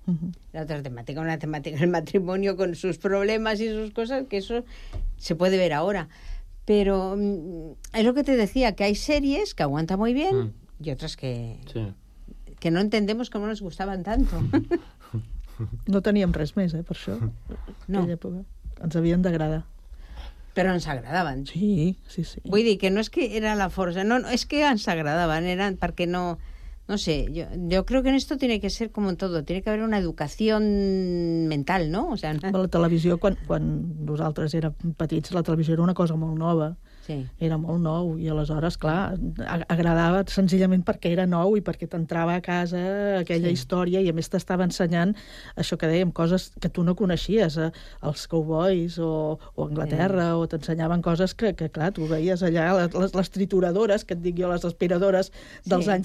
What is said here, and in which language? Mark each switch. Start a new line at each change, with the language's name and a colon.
Spanish: Uh-huh. Era otra temática, una temática del matrimonio con sus problemas y sus cosas, que eso se puede ver ahora. Pero es lo que te decía, que hay series que aguantan muy bien y otras que, sí, que no entendemos cómo nos gustaban tanto.
Catalan: No teníem res més, per això. No. Aquella època. Ens havien d'agradar. Però ens agradaven. Sí, sí, sí. Vull dir que no és que era la força, no, no, és que ens agradaven, eren perquè no...
Spanish: No sé, yo creo que en esto tiene que ser como en todo, tiene que haber una educación mental, ¿no? O sea, no?
Catalan: La televisió, quan nosaltres érem petits, la televisió era una cosa molt nova. Sí. Era molt nou i aleshores, clar, agradava senzillament perquè era nou i perquè t'entrava a casa aquella sí. història i a més t'estava ensenyant això que dèiem, coses que tu no coneixies, els cowboys o Anglaterra, sí. o t'ensenyaven coses que clar, tu veies allà, les trituradores, que et dic jo, les aspiradores dels sí.